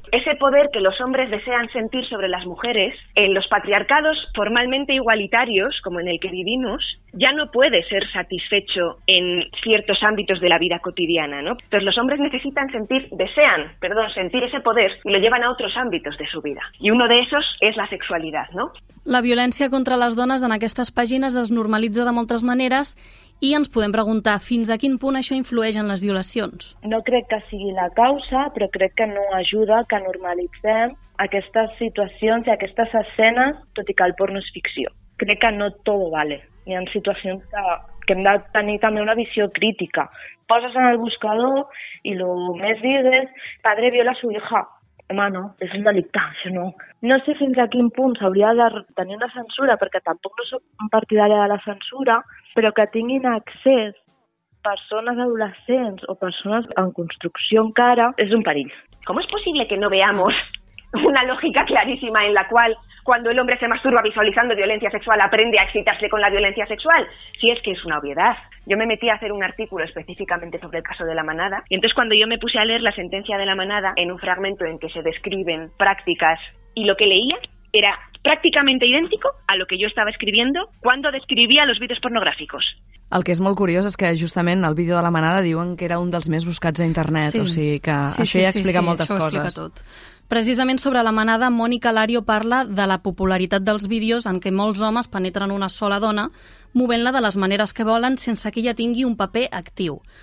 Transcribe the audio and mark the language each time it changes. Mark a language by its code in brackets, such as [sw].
[es] Ese poder que los hombres desean sentir sobre las mujeres, en los patriarcados formalmente igualitarios, como en el que vivimos, ya no puede ser satisfecho en ciertos ámbitos de la vida cotidiana, ¿no? Entonces los hombres necesitan sentir, desean, perdón, sentir ese poder y lo llevan a otros ámbitos de su vida. Y uno de esos es la sexualidad, ¿no? [ca] La violència contra les dones en aquestes pàgines es normalitza de moltes maneres i ens podem preguntar fins a quin punt això influeix en les violacions. No crec que sigui la causa, però crec que no ajuda que normalitzem aquestes situacions i aquestes escenes, tot i que el porno és ficció. Crec que no tot vale. Hi ha situacions que hem de tenir també una visió crítica. Poses en el buscador i el més digues, [es] padre viola a su hija. [ca] Home, no, és un delicte, això no. No sé fins a quin punt s'hauria de tenir una censura, perquè tampoc no soc partidària de la censura, però que tinguin accés persones adolescents o persones en construcció encara, és un perill. [es] ¿Cómo es posible que no veamos una lógica clarísima en la cual cuando el hombre se masturba visualizando violencia sexual aprende a excitarse con la violencia sexual? Si es que es una obviedad. Yo me metí a hacer un artículo específicamente sobre el caso de la manada y entonces cuando yo me puse a leer la sentencia de la manada en un fragmento en que se describen prácticas y lo que leía era prácticamente idéntico a lo que yo estaba escribiendo cuando describía los vídeos pornográficos. [ca] El que és molt curiós és que justament el vídeo de la manada diuen que era un dels més buscats a internet, sí. O sigui que sí, això sí, ja explica sí, moltes això coses. Ho explica tot. Precisament sobre la manada, Mònica Lario parla de la popularitat dels vídeos en què molts homes penetren una sola dona, movent-la de les maneres que volen sense que ella tingui un paper actiu.